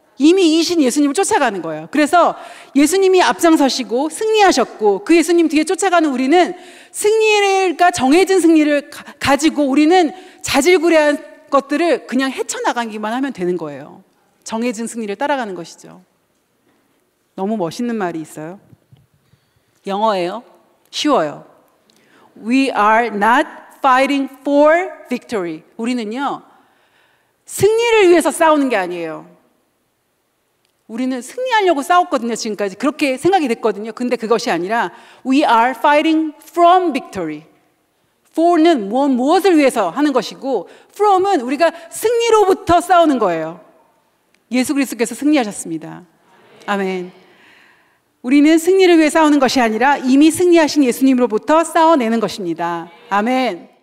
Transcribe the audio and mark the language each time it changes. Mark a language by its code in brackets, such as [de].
[ko] 이미 이신 예수님을 쫓아가는 거예요. 그래서 예수님이 앞장서시고 승리하셨고 그 예수님 뒤에 쫓아가는 우리는 승리가 정해진 승리를 가지고 우리는 자질구레한 것들을 그냥 헤쳐나가기만 하면 되는 거예요. 정해진 승리를 따라가는 것이죠. 너무 멋있는 말이 있어요. 영어예요. 쉬워요. [en] We are not fighting for victory. [ko] 우리는요 승리를 위해서 싸우는 게 아니에요. 우리는 승리하려고 싸웠거든요. 지금까지 그렇게 생각이 됐거든요. 근데 그것이 아니라 [en] We are fighting from victory. [ko] For는 무엇을 위해서 하는 것이고 From은 우리가 승리로부터 싸우는 거예요. 예수 그리스도께서 승리하셨습니다. 아멘. 우리는 승리를 위해 싸우는 것이 아니라 이미 승리하신 예수님으로부터 싸워내는 것입니다. 아멘.